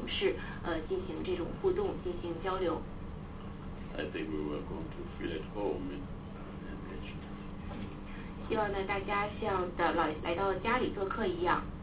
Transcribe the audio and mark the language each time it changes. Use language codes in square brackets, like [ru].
[zh] 那么我们的同事呢，也非常期待着和您带领的代表团的这些同事，进行这种互动，进行交流。 [en] I think we are going to feel at home in the region. [zh] 希望呢，大家像来到家里做客一样。